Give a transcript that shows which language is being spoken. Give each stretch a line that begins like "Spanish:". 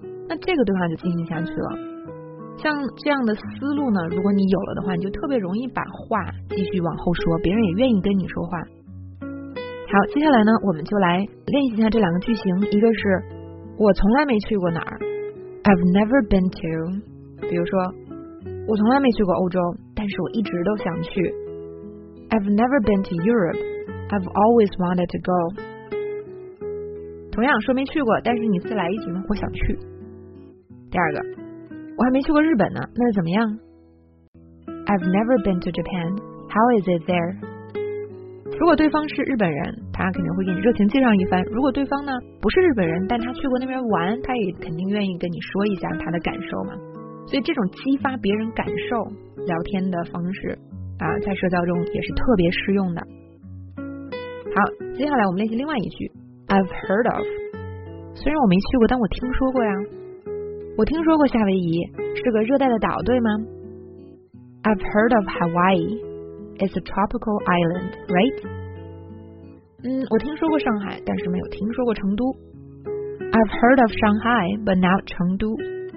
Chinese: 那这个对话就进行下去了。像这样的思路呢，如果你有了的话，你就特别容易把话继续往后说，别人也愿意跟你说话。好，接下来呢我们就来练习一下这两个句型。一个是我从来没去过哪儿，
English: I've never been to，
Chinese: 比如说我从来没去过欧洲，但是我一直都想去。
English: I've never been to Europe, I've always wanted to go。
Chinese: 同样说没去过，但是你再来一句呢，我想去。第二个，我还没去过日本呢，那是怎么样？
English: I've never been to Japan, how is it there?
Chinese: 如果对方是日本人，他肯定会给你热情介绍一番。如果对方呢不是日本人，但他去过那边玩，他也肯定愿意跟你说一下他的感受嘛。所以这种激发别人感受聊天的方式啊，在社交中也是特别适用的。好，接下来我们练习另外一句。
English: I've heard of，
Chinese: 虽然我没去过，但我听说过呀。我听说过夏威夷是个热带的岛，对吗？
English: I've heard of Hawaii, it's a tropical island, right?
Chinese: 我听说过上海，但是没有听说过成都。
English: I've heard of Shanghai, but not
Chinese: 成都。